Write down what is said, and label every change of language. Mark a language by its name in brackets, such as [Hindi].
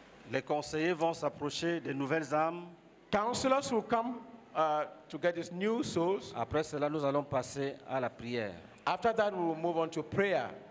[French] Les conseillers vont s'approcher des nouvelles âmes. [English] Counselors will come to get these new souls. [French] Après cela, nous allons passer à la prière. [English] After that, we will move on to prayer.